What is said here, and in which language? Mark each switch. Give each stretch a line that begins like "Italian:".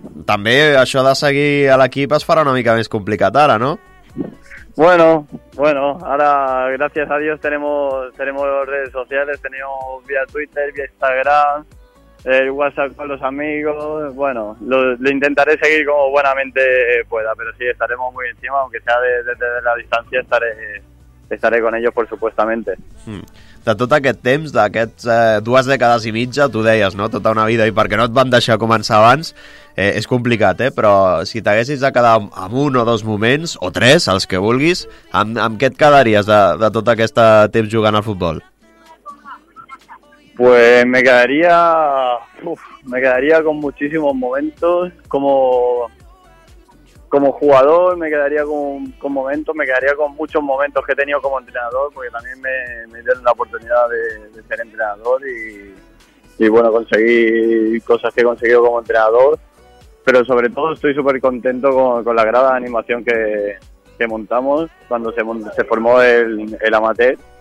Catalan: També això de seguir a l'equip es farà una mica més complicat ara, no?
Spanish: Bueno, ahora gracias a Dios tenemos redes sociales, tenemos vía Twitter, vía Instagram, el WhatsApp con los amigos. Bueno, lo intentaré seguir como buenamente pueda, pero sí, estaremos muy encima, aunque sea desde la distancia, estaré con ellos, por supuestamente.
Catalan: De tot aquest temps, d'aquests 2 dècades i mitja, tu deies, no?, tota una vida, i perquè no et van deixar començar abans, és complicat, però si t'haguessis de quedar amb un o dos moments, o 3, els que vulguis, amb què et quedaries de tot aquest temps jugant al futbol?
Spanish: Pues me quedaría con muchísimos momentos, como jugador, me quedaría con momentos, me quedaría con muchos momentos que he tenido como entrenador, porque también me dieron la oportunidad de ser entrenador y bueno, conseguí cosas que he conseguido como entrenador, pero sobre todo estoy súper contento con la grada de animación que montamos cuando se formó el amateur.